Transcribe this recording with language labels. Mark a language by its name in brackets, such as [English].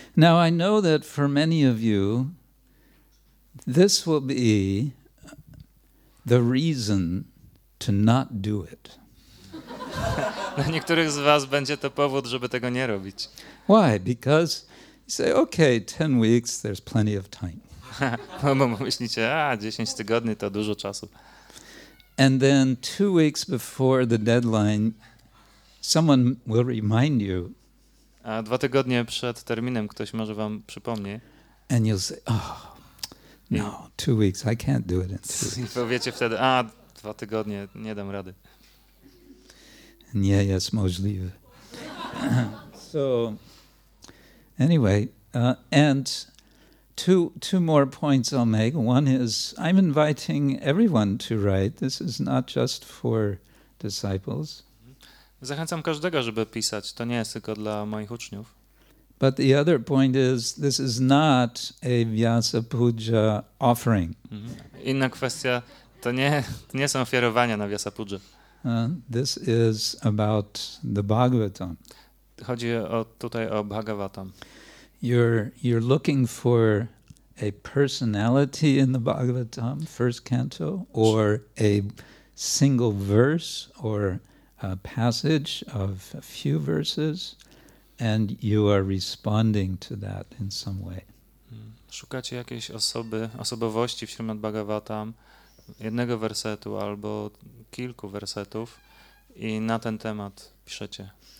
[English] Now I know that for many of you, this will be the reason to not do it. [Polish] Dla niektórych z was będzie to powód, żeby tego nie robić. [English] Why? Because you say, okay, 10 weeks, there's plenty of time. [Polish] Bo myślicie, 10 tygodni to dużo czasu. [English] And then 2 weeks before the deadline, someone will remind you. [Polish] A 2 tygodnie przed terminem ktoś może wam przypomnie. [English] And you'll say, oh, no, 2 weeks, I can't do it in 2 weeks. [Polish] I powiecie wtedy, 2 tygodnie, nie dam rady. Nie jest możliwe. [English] So, anyway, and two more points I'll make. One is, I'm inviting everyone to write. This is not just for disciples. [Polish] Zachęcam każdego, żeby pisać. To nie jest tylko dla moich uczniów. [English] But the other point is, this is not a Vyasa Puja offering. [Polish] Inna kwestia, to nie są ofiarowania na Vyasa Puja. [English] This is about the Bhagavatam. [Polish] Chodzi o tutaj o Bhagavatam. [English] You're looking for a personality in the Bhagavatam, first canto, or a single verse, or a passage of a few verses, and you are responding to that in some way. [Polish] Szukacie jakiejś osobowości w Śrimad Bhagavatam, jednego wersetu albo kilku wersetów i na ten temat piszecie.